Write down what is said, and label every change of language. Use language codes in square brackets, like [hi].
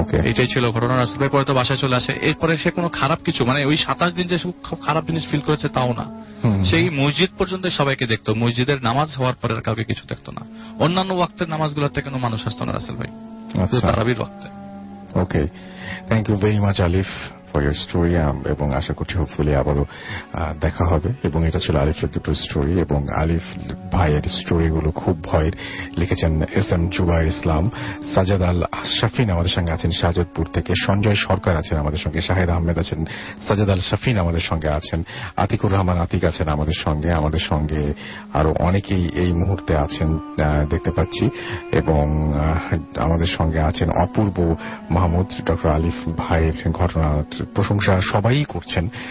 [bn] এটাই ছিল ঘটনা রাসেল ভাই, পরে তো বাসায় চলে আসে। এরপরে সে কোনো খারাপ কিছু মানে ওই 27 দিন যে খুব খারাপ জিনিস ফিল করেছে তাও না, সেই মসজিদ পর্যন্ত সবাইকে দেখতো, মসজিদের নামাজ হওয়ার পরে কাউকে কিছু দেখতো না, অন্যান্য ওয়াক্তের নামাজগুলোতে কোনো মানুষ আসতো না রাসেল ভাই, তারাবির ওয়াক্তে। [en] Okay, thank you very much Alif for your story [bn] এবং আশা করছি হোপফুলি আবারও দেখা হবে। এবং এটা ছিল আলিফের দুটো স্টোরি এবং আলিফ ভাইয়ের স্টোরিগুলো খুব ভয়ের, লিখেছেন এস এম জুবায়ের ইসলাম। সাজাদ আল শাফিন আমাদের সঙ্গে আছেন সাজদপুর থেকে, সঞ্জয় সরকার আছেন আমাদের সঙ্গে, শাহেদ আহমেদ আছেন, সাজাদ আল শাফিন আমাদের সঙ্গে আছেন, আতিকুর রহমান আতিক আছেন আমাদের সঙ্গে, আমাদের সঙ্গে আরো অনেকেই এই মুহূর্তে আছেন দেখতে পাচ্ছি, এবং আমাদের সঙ্গে আছেন অপূর্ব মাহমুদ, ডক্টর আলিফ ভাইয়ের ঘটনার প্রশংসা সবাই করছেন।